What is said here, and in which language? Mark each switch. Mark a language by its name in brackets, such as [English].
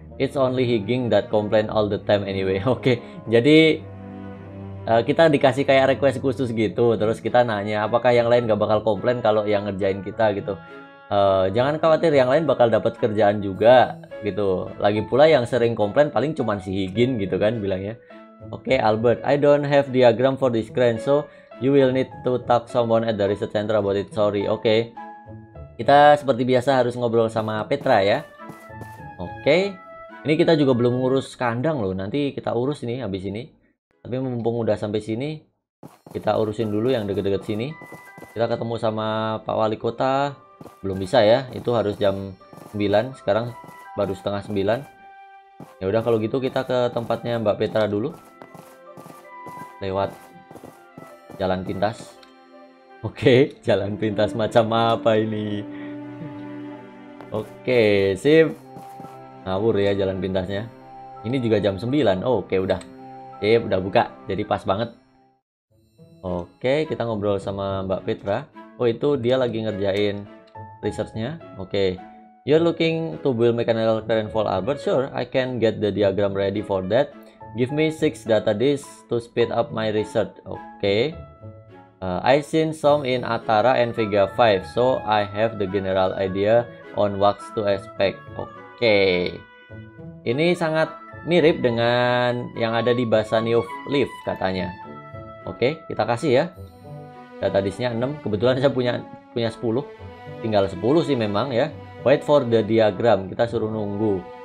[English] It's only Higging that complain all the time anyway. [Indonesian] Oke, okay. Jadi kita dikasih kayak request khusus gitu, terus kita nanya apakah yang lain gak bakal komplain kalau yang ngerjain kita gitu. Jangan khawatir, yang lain bakal dapat kerjaan juga gitu. Lagi pula yang sering komplain paling cuman si Higin gitu kan bilangnya. [English] Oke, okay, Albert, I don't have diagram for this crane, so you will need to talk someone at the research center about it, sorry. [Indonesian] Oke, okay. Kita seperti biasa harus ngobrol sama Petra ya. Oke, okay. Ini kita juga belum ngurus kandang loh, nanti kita urus nih habis ini. Tapi mumpung udah sampai sini, kita urusin dulu yang deket-deket sini. Kita ketemu sama Pak Wali Kota. Belum bisa ya, itu harus jam 9. Sekarang baru setengah 9. Ya udah kalau gitu kita ke tempatnya Mbak Petra dulu. Lewat jalan pintas. Oke, jalan pintas macam apa ini? Oke, sip. Ngawur ya jalan pintasnya. Ini juga jam 9. Oke, udah. Oke, udah buka, jadi pas banget. Oke, kita ngobrol sama Mbak Petra. Oh, itu dia lagi ngerjain researchnya. [English] Oke, you're looking to build mechanical crane for Albert. Sure, I can get the diagram ready for that. Give me 6 data disks to speed up my research. Oke, I seen some in Atara and Vega 5, so I have the general idea on what to expect. [Indonesian] Oke, ini sangat mirip dengan yang ada di Bassanio Leaf katanya. Oke, kita kasih ya. Data disknya 6. Kebetulan saya punya 10. Tinggal 10 sih memang ya. [English] Wait for the diagram. [Indonesian] Kita suruh nunggu.